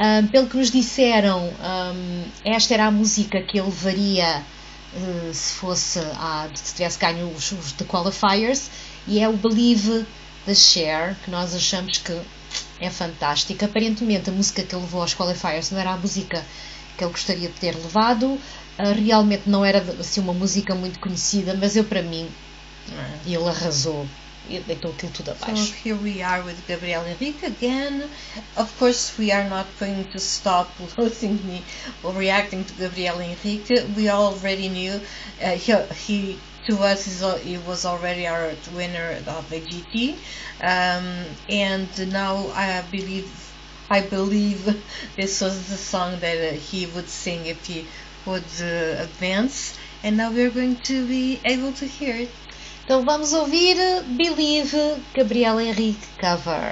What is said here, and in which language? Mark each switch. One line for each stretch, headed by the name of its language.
Portuguese: Pelo que nos disseram, esta era a música que ele levaria se fosse se tivesse ganho os The Qualifiers, e é o Believe da Cher, que nós achamos que é fantástica. Aparentemente a música que ele levou aos Qualifiers não era a música que ele gostaria de ter levado, realmente não era assim uma música muito conhecida, mas eu, para mim, ele arrasou. Deitou aquilo tudo abaixo.
English: So here we are with Gabriel Henrique again. Of course, we are not going to stop losing me or reacting to Gabriel Henrique. We already knew he was already our winner of the GT. And now I believe this was the song that he would sing if he would advance. And now we are going to be able to hear it.
Portuguese: Então vamos ouvir Believe, Gabriel Henrique cover.